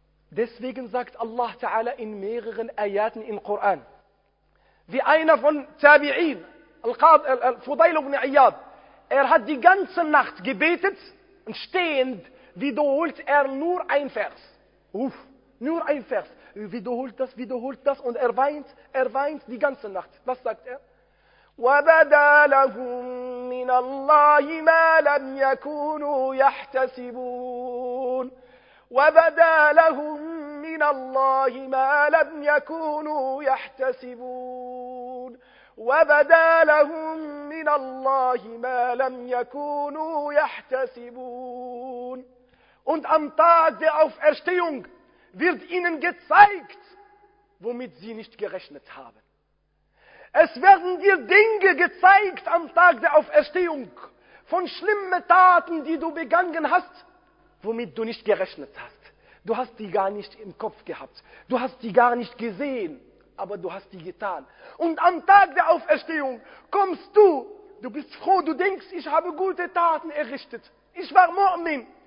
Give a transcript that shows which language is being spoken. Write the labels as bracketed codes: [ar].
[de] Deswegen sagt Allah Ta'ala in mehreren Ayaten im Koran, wie einer von Tabi'in, Fudayl ibn Iyad, er hat die ganze Nacht gebetet und stehend wiederholt er nur ein Vers. Nur ein Vers. Wiederholt das und er weint die ganze Nacht. Was sagt er? [ar] وَبَدَا لَهُمْ مِنَ اللَّهِ مَا لَمْ يَكُونُوا يَحْتَسِبُونَ وَبَدَا لَهُمْ مِنَ اللَّهِ مَا لَمْ يَكُونُوا يَحْتَسِبُونَ وَبَدَا لَهُمْ مِنَ اللَّهِ مَا لَمْ يَكُونُوا يَحْتَسِبُونَ [de] Und am Tag der Auferstehung wird ihnen gezeigt, womit sie nicht gerechnet haben. Es werden dir Dinge gezeigt am Tag der Auferstehung von schlimmen Taten, die du begangen hast, womit du nicht gerechnet hast. Du hast die gar nicht im Kopf gehabt. Du hast die gar nicht gesehen, aber du hast die getan. Und am Tag der Auferstehung kommst du, du bist froh, du denkst, ich habe gute Taten errichtet. Ich war Mu'min.